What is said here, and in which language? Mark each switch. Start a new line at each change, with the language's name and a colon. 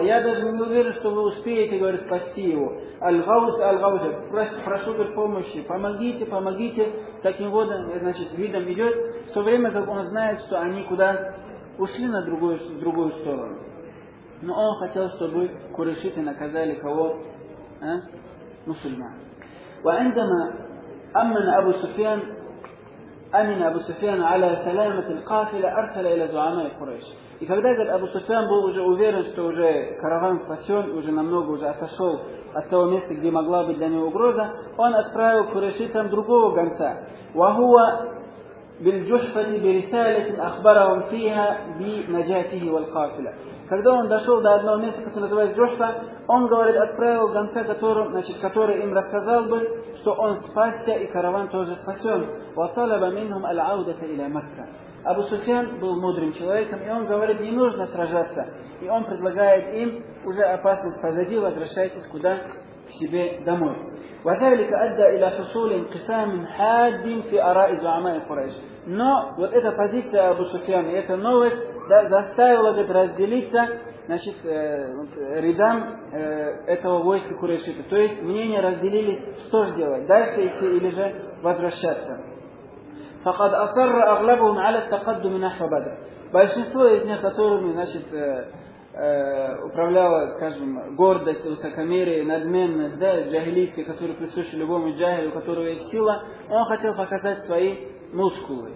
Russian: Я даже не уверен, что вы успеете, говорит, спасти его. Аль-Гауз, Аль-Гауз. Прошу, говорит, помощи. Помогите, помогите. С таким вот, значит, видом идет. В то время, как он знает, что они куда ушли на другую сторону. Но он хотел, чтобы курайшиты наказали кого? Мусульман.
Arabic: وعندما أمن أبو سفيان أمن أبو سفيان على سلامة القافلة أرسل إلى زعماء قريش.
Russian: И когда этот Абу Суфьян был уже уверен, что уже караван спасен, уже намного уже отошел от того места, где могла быть для него угроза, он отправил курайшитам другого гонца.
Arabic: وهو بالجحفة برسالة أخبرهم فيها بنجاته والقافلة.
Russian: Когда он дошел до одного места, которое называется Джошфа, он, говорит, отправил гонца, который, значит, который им рассказал бы, что он спасся и караван тоже спасен.
Arabic: وَطَلَبَ مِنْهُمْ الْعَوْدَةَ إِلَى مَكَّةَ
Russian: Абу Суфьян был мудрым человеком, и он говорит, не нужно сражаться. И он предлагает им, уже опасность позади, возвращайтесь куда? К себе домой.
Arabic: وَذَلِكَ أَدَّى إِلَى فُصُولٍ قِسَامٍ حَادٍ فِي أَرَائِ زُعَمَاءِ قُرَيْشٍ.
Russian: Но вот эта позиция Абу Суфьяна, эта новость, да, заставила бы разделиться, значит, рядам этого войска курайшита. То есть мнения разделились, что же делать, дальше идти или же возвращаться.
Arabic: فَقَدْ أَصَرَّ أَغْلَبُهُمْ عَلَى التَّقَدُّمِ نَحْوَ بَدْرٍ.
Russian: Большинство из них, которыми, значит, управляла, скажем, гордость, высокомерие, надменность, да, джахилийской, которая присуща любому джахилю, у которого есть сила, он хотел показать свои мускулы.